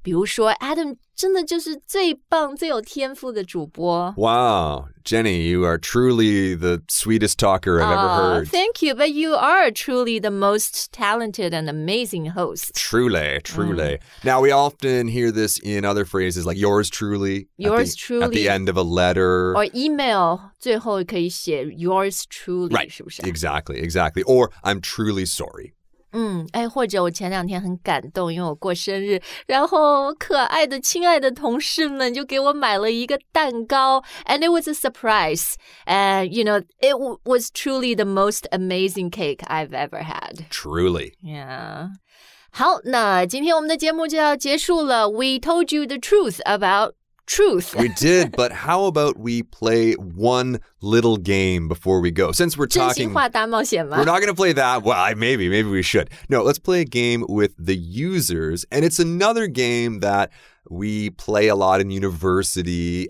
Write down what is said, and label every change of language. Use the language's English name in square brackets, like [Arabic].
[Chinese] 比如说 Adam 真的就是最棒最有天赋的主播。 [English] Wow, Jenny, you are truly the sweetest talker I've ever heard. Thank you, but you are truly the most talented and amazing host. Truly.、Now, we often hear this in other phrases like yours truly. Yours truly. At the end of a letter. Or email, [Chinese] 最后可以写 [English] yours truly. Right, [Chinese] 是不是 [English] exactly. Or I'm truly sorry. [Chinese] 哎，或者我前两天很感动，因为我过生日，然后可爱的、亲爱的同事们就给我买了一个蛋糕 ， [English] and it was a surprise. And you know, it was truly the most amazing cake I've ever had. Truly. Yeah. [Chinese] 好，那今天我们的节目就要结束了。 [English] We told you the truth about truth. We did, but how about we play one little game before we go? Since we're talking, [Chinese] 真心话大冒险吗？ [English] We're not going to play that. Well, maybe we should. No, let's play a game with the users. And it's another game that we play a lot in university.